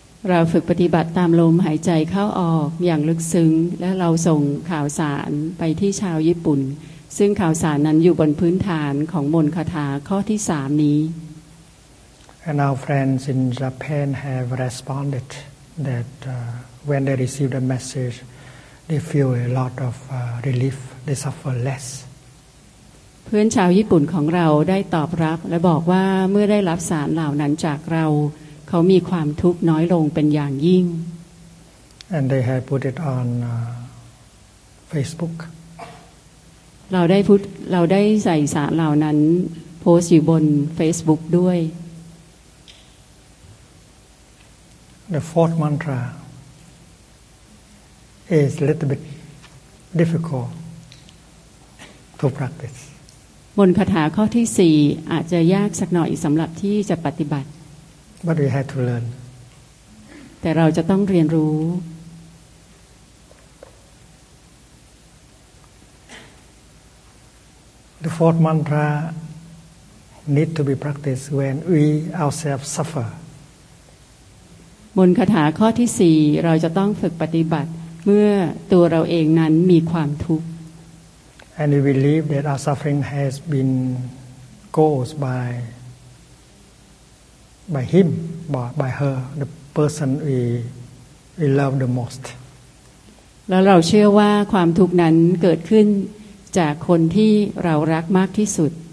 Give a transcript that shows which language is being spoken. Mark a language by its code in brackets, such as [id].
[th] เราฝึกปฏิบัติตามลมหายใจเข้าออกอย่างลึกซึ้งและเราส่งข่าวสารไปที่ชาวญี่ปุ่นซึ่งข่าวสารนั้นอยู่บนพื้นฐานของมนต์คาถาข้อที่3นี้ [en] And our friends in Japan have responded that when they receive the message they feel a lot of relief they suffer less [th] เพื่อนชาวญี่ปุ่นของเราได้ตอบรับและบอกว่าเมื่อได้รับสารเหล่านั้นจากเราเขามีความทุกข์น้อยลงเป็นอย่างยิ่ง [en] And they have put it on Facebook [th] เราได้ใส่สารเหล่านั้นโพสต์อยู่บน Facebook ด้วย [en] The fourth mantra is a little bit difficult to practice [th] มนต์คาถาข้อที่4อาจจะยากสักหน่อยสำหรับที่จะปฏิบัติ [en] But we have to learn. [th] แต่เราจะต้องเรียนรู้ [en] The fourth mantra need to be practiced when we ourselves suffer. [th] มนต์คาถาข้อที่4เราจะต้องฝึกปฏิบัติเมื่อตัวเราเองนั้นมีความทุกข์ [en] And we believe that our suffering has been caused by him by her the person we love the most [th] แล้วเราเชื่อว่าความทุกข์นั้นเกิดขึ้นจากคนที่เรารักมากที่สุด